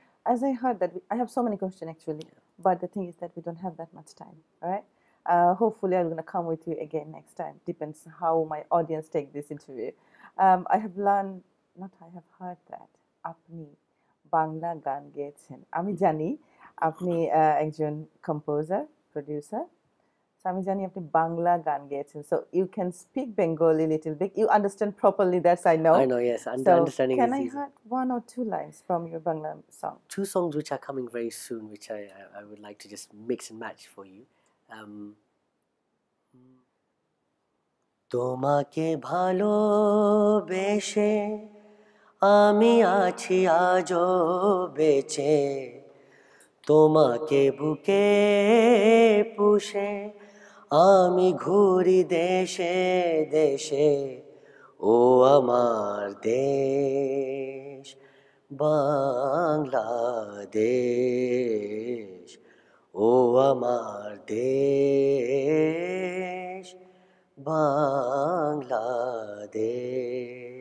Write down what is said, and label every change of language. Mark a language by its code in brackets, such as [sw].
[en] As I heard that, I have so many questions actually, but the thing is that we don't have that much time, right? Hopefully, I'm going to come with you again next time. Depends how my audience take this interview. I have learned, not I have heard that, [bn] apni Bangla গান গেয়েছেন। আমি জানি আপনি একজন composer producer, so আমি জানি আপনি বাংলা গান গেয়েছেন, [en] So you can speak Bengali little bit, you understand properly, that's I know. I know, yes, so understanding can is I easy. Hard one or two lines from your Bangla song? Two songs which are coming very soon, which I would like to just mix and match for you. [bn] তোমাকে ভালোবেসে আমি আছি আজও বেঁচে, তোমাকে বুকে পুষে আমি ঘুরি দেশে দেশে, ও আমার দেশ বাংলাদেশ, ও আমার দেশ বাংলাদেশ।